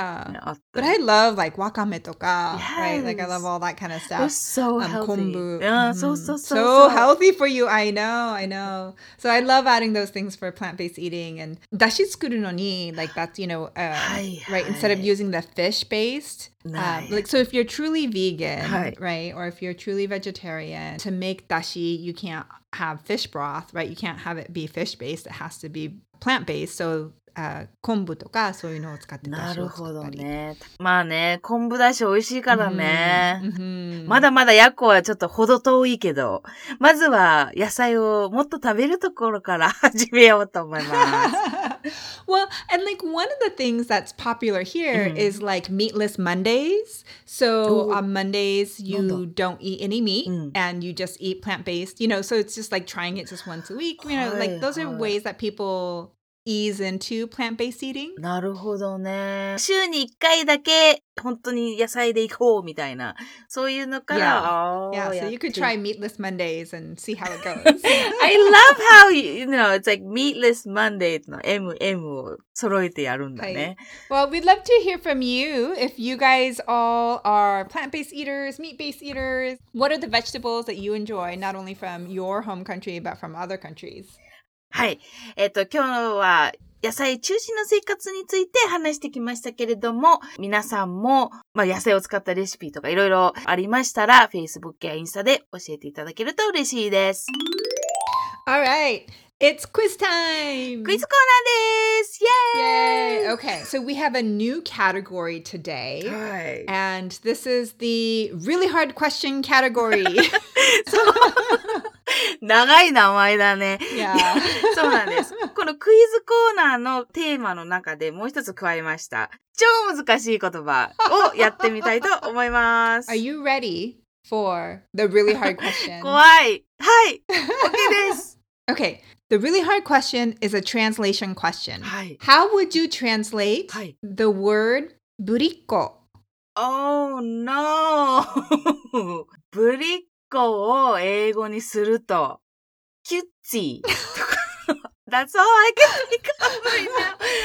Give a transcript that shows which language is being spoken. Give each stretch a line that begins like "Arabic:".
English: Yeah.
Japanese: あった。
English: But I love like
Japanese: わかめとか、
English: yes. right? Like I love all that kind of stuff. It's so healthy.
Japanese: 昆布。
English: So healthy for you. I know, I know. So I love adding those things for plant-based eating. And
Japanese: dashi tsukuru no ni,
English: like that's, you know, right, instead of using the fish-based. Like, so if you're truly vegan, right, or if you're truly vegetarian, to make dashi, you can't have fish broth, right? You can't have it be fish-based. It has to be plant-based. So...
Japanese: 昆布とかそういうのを使って出汁を作ったり。なるほどね。まあね、昆布出汁美味しいからね。まだまだヤコはちょっと程遠いけど、まずは野菜をもっと食べるところから始めようと思います。
English: Well, and like one of the things that's popular here is like meatless Mondays. So on Mondays you don't eat any meat and you just eat plant-based. You know, so it's just like trying it just once a week. You know, like those are ways that people... ease into plant-based eating.
Japanese: なるほどね。週に1回だけ本当に野菜で行こうみたいな。そういうのから。
English: Yeah, so you could try meatless Mondays and see how it goes. I love how, you know, it's like meatless Monday
Japanese: の MM を揃えてやるんだね。
English: Well, we'd love to hear from you if you guys all are plant-based eaters, meat-based eaters. What are the vegetables that you enjoy, not only from your home country, but from other countries?
Japanese: はい。今日は野菜中心の生活について話してきましたけれども、皆さんも、まあ、野菜を使ったレシピとかいろいろありましたら、Facebook やインスタで教えていただけると嬉しいです。
English: All right. It's quiz time!
Japanese: クイズコーナーです!
English: Yay! Okay, so we have a new category today. Hi. And this is the really hard question category.
Japanese: そう。長い名前だね。そうなんです。このクイズコーナーのテーマの中でもう一つ加えました。超難しい言葉をやってみたいと思います。
English: Are you ready for the really hard question?
Japanese: 怖い。はい。OK です。
English: OK。 The really hard question is a translation question.、
Japanese: はい、
English: How would you translate、
Japanese: はい、
English: the word ブリッコ? Oh no! ブリッコ
Japanese: 子を英語にすると、キュッチーとか。
English: That's all I can think of right now.